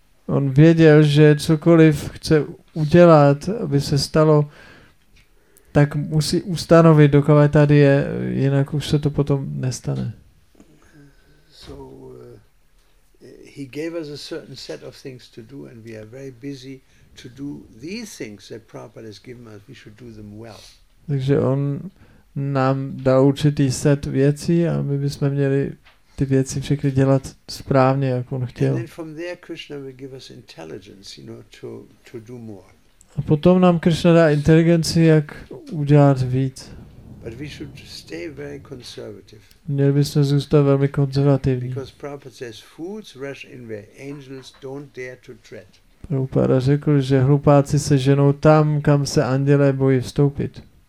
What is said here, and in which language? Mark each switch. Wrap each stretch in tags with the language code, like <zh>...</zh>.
<cs>On věděl, že cokoliv chce udělat, aby se stalo, tak musí ustanovit, dokud tady je, jinak už se to potom nestane.</cs> <en>So he gave us a certain set of things to do and we are very busy to do these things that Prabhupada has given us. We should do them well.</en> <cs>Takže on nám dal určitý set věcí a my bychom měli ty věci všechny dělat správně, jak on chtěl.</cs> <en>And then from there Krishna will give us intelligence, you know, to do more.</en> <cs>A potom nám Krishna dá inteligenci, jak udělat víc.</cs> <en>But we should stay very conservative.</en> <cs>Měli bychom zůstat velmi konzervativní.</cs> <en>Because Prabhupada says, fools rush in where angels don't dare to tread.</en> <cs>Prabhupada řekl, že hlupáci se ženou tam, kam se andělé bojí vstoupit.</cs>